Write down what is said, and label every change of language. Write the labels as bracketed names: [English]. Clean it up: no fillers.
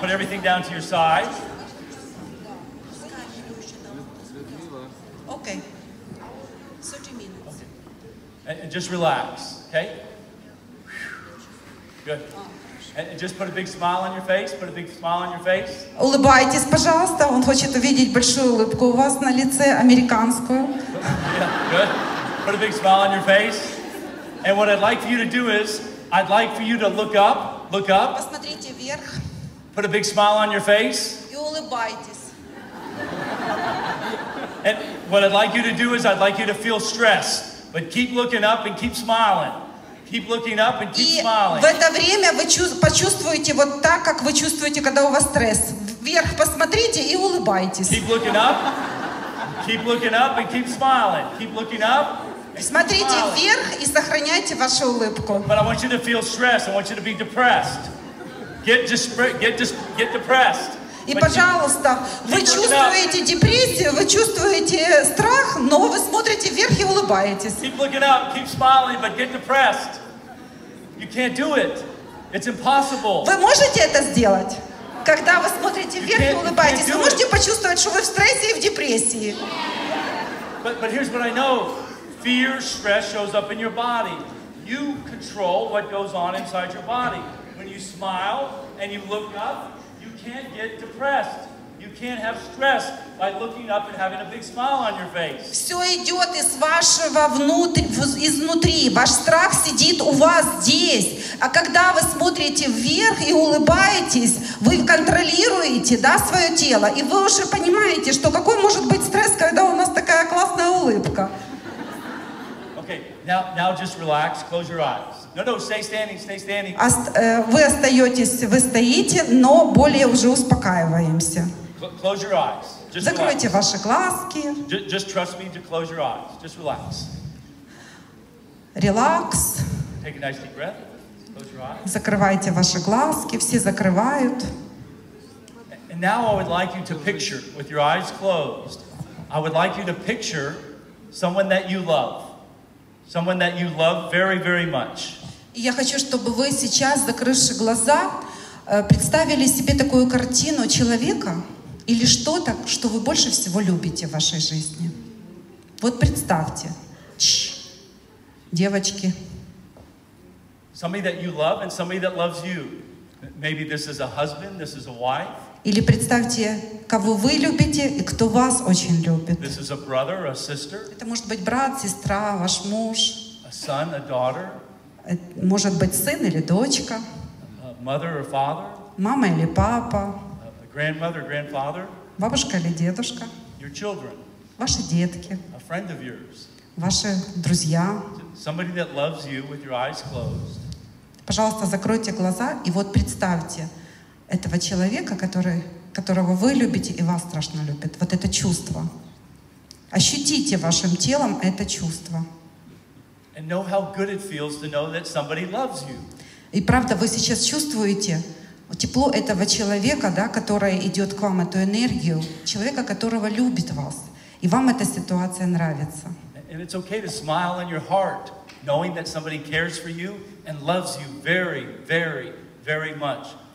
[English] Put everything down to your side. Okay. 30 minutes. And just relax, okay? Good. And just put a big smile on your face. Put a big smile on your face. [Russian] Улыбайтесь, пожалуйста. Он хочет увидеть большую улыбку у вас на лице, американскую. [English] Yeah, good. Put a big smile on your face. And what I'd like for you to do is, I'd like for you to look up, look up. [Russian] Посмотрите вверх. [English] Put a big smile on your face. [Russian] И улыбайтесь. [English] And what I'd like you to do is, I'd like you to feel stress, but keep looking up and keep smiling. Keep looking up and keep smiling. [Russian] И в это время вы почувствуете вот так, как вы чувствуете, когда у вас стресс. Вверх посмотрите и улыбайтесь. [English] Keep looking up. Keep looking up and keep smiling. Keep looking up. [Russian] Смотрите вверх и сохраняйте вашу улыбку. [English] But I want you to feel stressed. I want you to be depressed. Get depressed. [Russian] И, пожалуйста, вы чувствуете депрессию, вы чувствуете страх, но вы смотрите вверх и улыбаетесь. [English] Keep looking up, keep smiling, but get depressed. You can't do it. It's impossible. [Russian] Вы можете это сделать? Когда вы смотрите вверх и улыбаетесь, вы можете почувствовать, что вы в стрессе и в депрессии. [English] But here's what I know. Fear, stress shows up in your body. You control what goes on inside your body. When you smile and you look up, can't get depressed. You can't have stress by looking up and having a big smile on your face. [Russian] Все идет из вашего изнутри. Ваш страх сидит у вас здесь. А когда вы смотрите вверх и улыбаетесь, вы контролируете, да, свое тело. И вы уже понимаете, что какой может быть стресс, когда у нас такая классная улыбка. [English] Okay, now just relax. Close your eyes. No, stay standing, stay standing. [Russian] Вы остаетесь, вы стоите, но более уже успокаиваемся. [English] Close your eyes. Just [Russian] закройте [English] relax. [Russian] Ваши глазки. [English] Just trust me to close your eyes. Just relax. Relax. Take a nice deep breath. Close your eyes. [Russian] Закрывайте ваши глазки, все закрывают. [English] And now I would like you to picture, with your eyes closed, I would like you to picture someone that you love. Someone that you love very, very much. [Russian] Я хочу, чтобы вы сейчас, закрывши глаза, представили себе такую картину человека или что-то, что вы больше всего любите в вашей жизни. Вот представьте. Девочки. [English] Somebody that you love and somebody that loves you. Maybe this is a husband, this is a wife. [Russian] Или представьте, кого вы любите и кто вас очень любит. [English] This is a brother, a sister. [Russian] Это может быть брат, сестра, ваш муж. [English] A son, a daughter. [Russian] Может быть сын или дочка. [English] A mother or father. [Russian] Мама или папа. [English] A grandmother, grandfather. [Russian] Бабушка или дедушка. [English] Your children. [Russian] Ваши детки. [English] A friend of yours. [Russian] Ваши друзья. [English] Somebody that loves you with your eyes closed. [Russian] Пожалуйста, закройте глаза и вот представьте этого человека, которого вы любите и вас страшно любит. Вот это чувство. Ощутите вашим телом это чувство. [English] And know how good it feels to know that somebody loves you. [Russian] И правда, вы сейчас чувствуете тепло этого человека, да, который идет к вам, эту энергию, человека, которого любит вас. И вам эта ситуация нравится. [English] And it's okay to smile in your heart, knowing that somebody cares for you and loves you very, very, very much.